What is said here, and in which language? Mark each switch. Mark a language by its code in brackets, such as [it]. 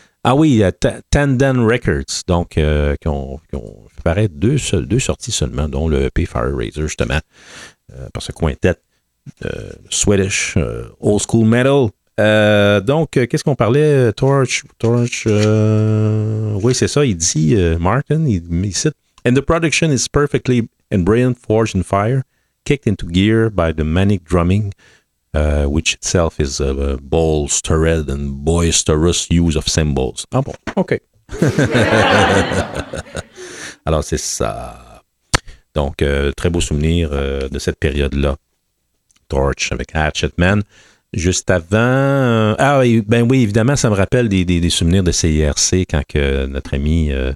[fr] Ah oui, Tandem Records, donc qui ont fait deux sorties seulement, dont le EP Fire Razor, justement, par ce quintet Swedish Old School Metal. Donc, qu'est-ce qu'on parlait? [en] Torch, [fr] oui, c'est ça, il dit, Martin, il cite, [en] « And the production is perfectly and brilliant forged in fire, kicked into gear by the manic drumming, which itself is a bolstered and boisterous use of symbols. » [fr] Ah bon, OK. Alors, c'est ça. Donc, très beau souvenir de cette période-là. Torch avec Hatchet Man. Juste avant... ben oui, évidemment, ça me rappelle des souvenirs de CIRC quand que notre ami...